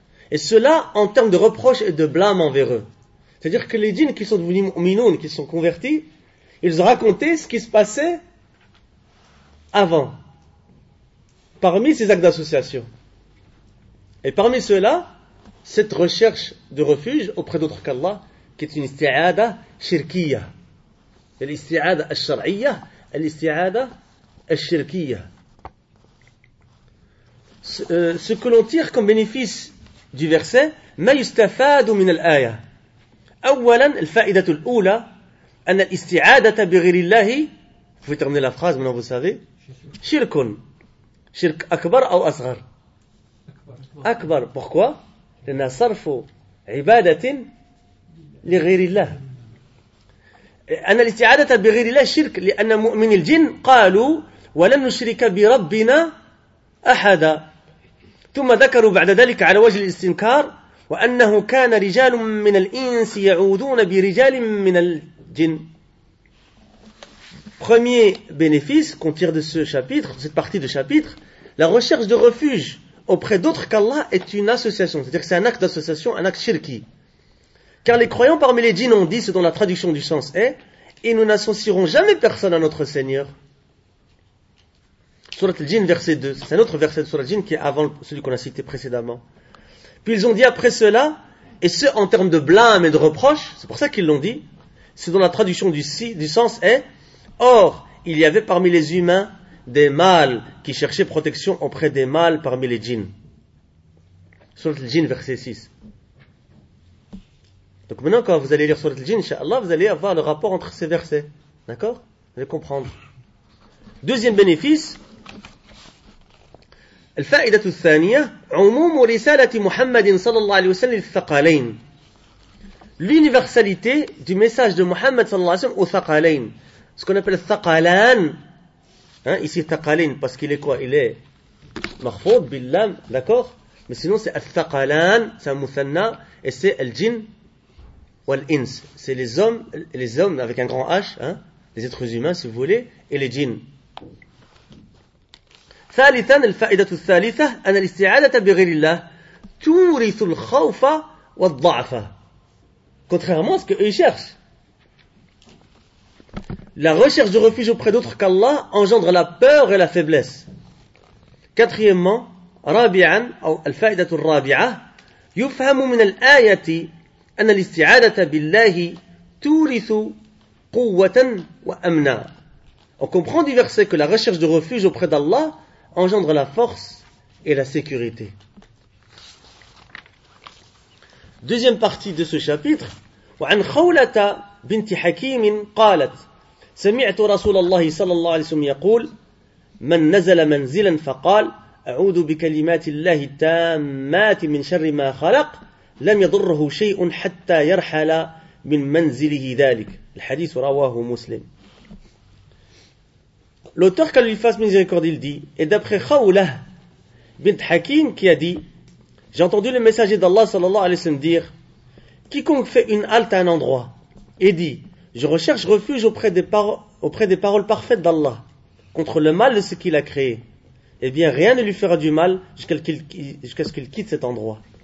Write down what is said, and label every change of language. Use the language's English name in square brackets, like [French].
[French] Et cela en termes de reproche et de blâme envers eux. C'est-à-dire que les djinns qui sont devenus mu'minoun, qui sont convertis, ils ont raconté ce qui se passait avant, parmi ces actes d'association. Et parmi ceux-là, cette recherche de refuge auprès d'autres qu'Allah, qui est une isti'ada shirkiya. [Arabic] الاستعادة الشرعية الاستعادة الشركية. [French] Ce que l'on tire comme bénéfice du verset, [Arabic] ما يستفاد من الآية. أولا الفائدة الأولى أن الاستعادة بغير الله, [French] vous pouvez terminer la phrase, maintenant vous savez, [Arabic] شرك. شرك أكبر أو أصغر؟ أكبر. [French] Pourquoi? [Arabic] لأن صرف عبادة لغير الله. أن الاستعادة بغير الله شرك, لأن مؤمن الجن قالوا ولم نشرك بربنا أحدا, ثم ذكروا بعد ذلك على وجه الاستنكار وأنه كان رجال من الإنس يعوذون برجال من الجن. [French] Premier bénéfice qu'on tire de ce chapitre, cette partie de chapitre, la recherche de refuge auprès d'autres qu'Allah est une association, c'est-à-dire que c'est un acte d'association, un acte shirki. Car les croyants parmi les djinns ont dit, ce dont la traduction du sens est, et nous n'associerons jamais personne à notre Seigneur. Surat al-Djinn verset 2, c'est un autre verset de Surat al-Djinn qui est avant celui qu'on a cité précédemment. Puis ils ont dit après cela, et ce en termes de blâme et de reproche, c'est pour ça qu'ils l'ont dit, ce dont la traduction du sens est, or, il y avait parmi les humains des mâles qui cherchaient protection auprès des mâles parmi les djinns. Surat al-Djinn verset 6. Donc maintenant, quand vous allez lire Surat al-Djinn, inshallah, vous allez avoir le rapport entre ces versets. D'accord? Vous allez comprendre. Deuxième bénéfice. [Arabic] الفائدة الثانية عموم رسالة محمد صلى الله عليه وسلم للثقلين. [French] L'universalité du message de Muhammad صلى الله عليه وسلم aux ثقلين. Ce qu'on appelle الثقلان. Ici ثقلين parce qu'il est quoi? Il est [Arabic] مخفوض باللام. [French] D'accord? Mais sinon c'est الثقلان, c'est un مثنى, et c'est [Arabic] الجن والإنس. [French] C'est les hommes avec un grand H, hein? Les êtres humains si vous voulez, et les djinns. [Arabic] ثالثا الفائدة الثالثة أن الاستعادة بغير الله تورث الخوف والضعف. [French] Contrairement à ce qu'ils cherchent. La recherche de refuge auprès d'autres qu'Allah engendre la peur et la faiblesse. Quatrièmement, [Arabic] رابعا أو الفائدة الرابعة يفهم من الآية أن الاستعادة بالله تورث قوة وأمنا. [French] On comprend du verset que la recherche de refuge auprès d'Allah engendre la force et la sécurité. Deuxième partie de ce chapitre. [Arabic] وعن خولة بنت حكيم قالت سمعت رسول الله صلى الله عليه وسلم يقول من نزل منزلا فقال أعوذ بكلمات الله التامات من شر ما خلق لم يضره شيء حتى يرحل من منزله ذلك. الحديث رواه مسلم. [French] L'auteur qu'Allah lui fasse miséricorde, il dit, et d'après Khawlah bint Hakim qui a dit, j'ai entendu le messager d'Allah sallallahu alayhi wa sallam dire, quiconque fait une halte à un endroit et dit, je recherche refuge auprès des paroles parfaites d'Allah contre le mal de ce qu'il a créé, eh bien rien ne lui fera du mal jusqu'à ce qu'il quitte cet endroit.